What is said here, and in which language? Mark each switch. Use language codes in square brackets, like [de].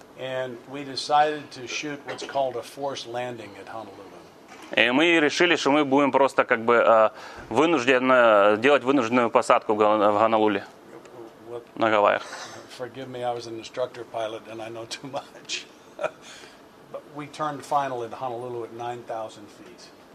[en] And we decided to shoot what's called a forced landing at Honolulu. [ru] И мы решили, что мы будем просто как бы вынуждены делать вынужденную посадку в Гонолулу на Гавайях. [en] Forgive me, I was an instructor pilot and I know too much. But we turned final in Honolulu at 9,000 feet.